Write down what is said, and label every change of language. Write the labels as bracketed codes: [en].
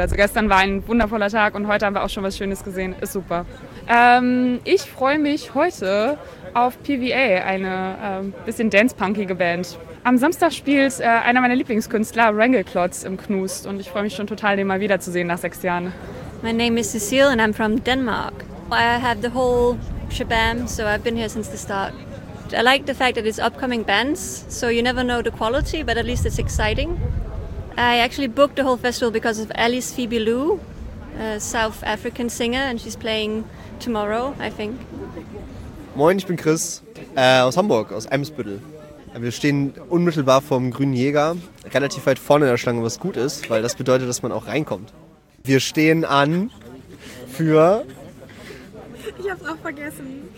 [de] Also gestern war ein wundervoller Tag und heute haben wir auch schon was Schönes gesehen. Ist super. Ich freue mich heute auf PVA, eine bisschen dance-punkige Band. Am Samstag spielt einer meiner Lieblingskünstler, Wrangelklotz, im Knust. Und ich freue mich schon total, den mal wiederzusehen nach 6 Jahren. [en] My name is Cecile and I'm from Denmark. I have the whole shabam, so I've been here since the start. I like the fact that it's upcoming bands, so you never know the quality, but at least it's exciting. I actually booked the whole festival because of Alice Phoebe Lou, a South African singer, and she's playing tomorrow, I think. [de] Moin, ich bin Chris aus Hamburg, aus Eimsbüttel. Wir stehen unmittelbar vorm Grünen Jäger, relativ weit vorne in der Schlange, was gut ist, weil das bedeutet, dass man auch reinkommt. Wir stehen an für... Ich hab's auch vergessen.